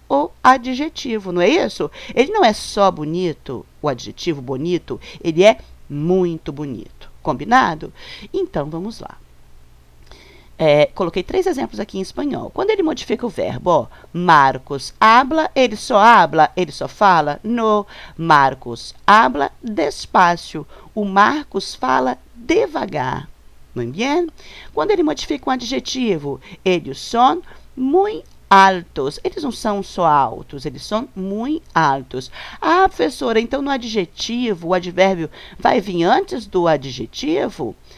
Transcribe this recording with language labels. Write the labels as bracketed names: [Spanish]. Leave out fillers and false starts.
[Portuguese] o adjetivo, não é isso? Ele não é só bonito, o adjetivo bonito, ele é muito bonito. Combinado? Então vamos lá. Coloquei três exemplos aqui em espanhol. Quando ele modifica o verbo, ó, [Spanish] Marcos habla, [Portuguese] ele só fala? [Spanish] No, Marcos habla despacio. [Portuguese] O Marcos fala devagar. [Spanish] Muy bien. [Portuguese] Quando ele modifica um adjetivo, eles são muito altos. Eles não são só altos, eles são muito altos. Ah, professora, então no adjetivo, o advérbio vai vir antes do adjetivo?